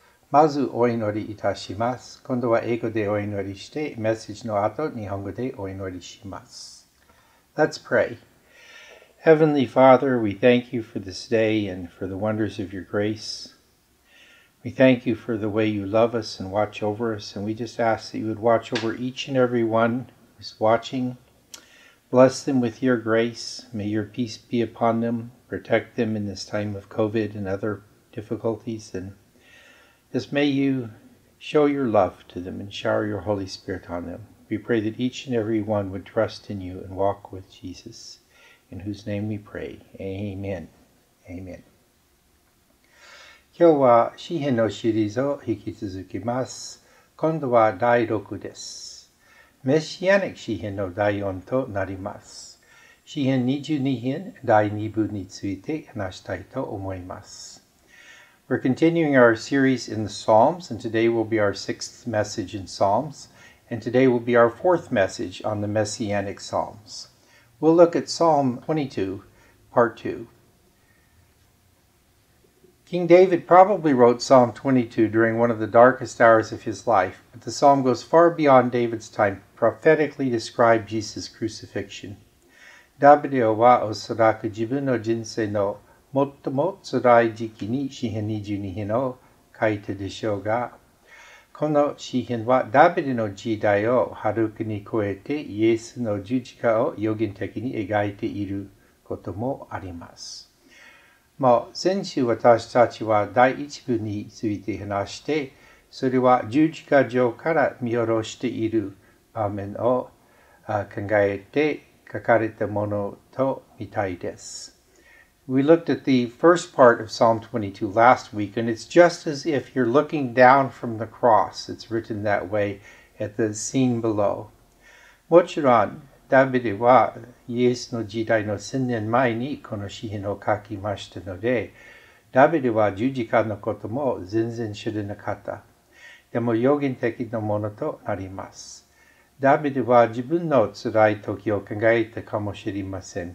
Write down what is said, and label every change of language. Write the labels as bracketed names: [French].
[Japanese] まずお祈りいたします。今度は英語でお祈りして、メッセージの後、日本語でお祈りします。 [English] Let's pray. Heavenly Father, we thank you for this day and for the wonders of your grace. We thank you for the way you love us and watch over us, and we just ask that you would watch over each and every one who's watching. Bless them with your grace. May your peace be upon them. Protect them in this time of COVID and other difficulties. And just may you show your love to them and shower your Holy Spirit on them. We pray that each and every one would trust in you and walk with Jesus, in whose name we pray. Amen. Amen. [Japanese] 今日は詩編のシリーズを引き続きます。今度は第6です。Messianic 詩編の第4となります。詩編22編第2部について話したいと思います。 [English] We're continuing our series in the Psalms, and today will be our 6th message in Psalms, and today will be our 4th message on the Messianic Psalms. We'll look at Psalm 22, part 2. King David probably wrote Psalm 22 during one of the darkest hours of his life, but the psalm goes far beyond David's time to prophetically describe Jesus' crucifixion. [Japanese] ダビデはおそらく自分の人生の最も辛い時期に詩編22編を書いたでしょうが、この詩編はダビデの時代をはるかに超えてイエスの十字架を予言的に描いていることもあります。もう先週私たちは第一部について話して、それは十字架上から見下ろしている場面を考えて書かれたものとみたいです。 [English] We looked at the first part of Psalm 22 last week, and it's just as if you're looking down from the cross. It's written that way at the scene below. [Japanese] もちろん、ダビデはイエスの時代の千年前にこの詩編を書きましたので、ダビデは十字架のことも全然知らなかった。でも予言的なものとなります。ダビデは自分の辛い時を考えたかもしれません。